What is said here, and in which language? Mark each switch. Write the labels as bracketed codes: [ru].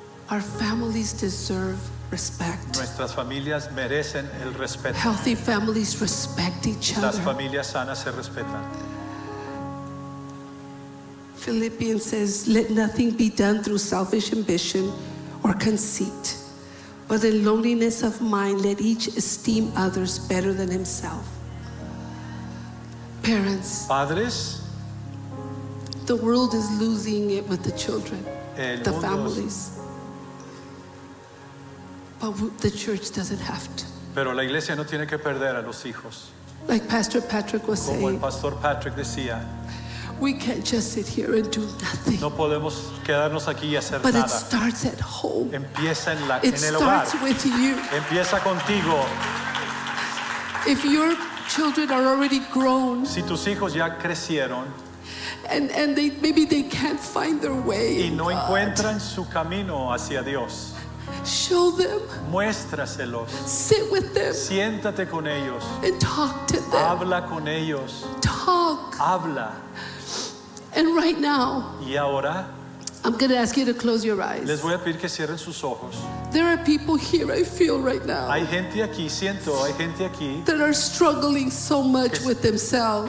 [en] Our families deserve respect. [es] Nuestras familias merecen el respeto. [en] Healthy families respect each other. [es] Las familias sanas se respetan. [en] Philippians says, "Let nothing be done through selfish ambition or conceit." But in loneliness of mind, let each esteem others better than himself. Parents. [es] Padres. [en] The world is losing it with the children. The families. But the church doesn't have to. [es] Pero la iglesia no tiene que perder a los hijos. [en] Like Pastor Patrick was [es] como [en] saying. [es] El Pastor Patrick decía, [en] we can't just sit here and do nothing. [es] No podemos quedarnos aquí y hacer [en] but [es] nada. [en] It starts at home. [es] Empieza en la, [en] it [es] en el [en] starts [es] hogar. [en] With you. [es] Empieza contigo. [en] If your children are already grown, [es] si tus hijos ya crecieron, [en] and they, maybe they can't find their way, [es] y no [en] God. [es] Encuentran su camino hacia Dios, [en] show them. [es] Muéstraselos. [en] Sit with them. [es] Siéntate con ellos. [en] And talk to them. [es] Habla con ellos. [en] Talk. [es] Habla. [en] And right now, [es] y ahora, [en] I'm going to ask you to close your eyes. [es] Les voy a pedir que cierren sus ojos. [en] There are people here, I feel right now. [es] Hay gente aquí, siento, hay gente aquí. [en] That are struggling so much que, with themselves.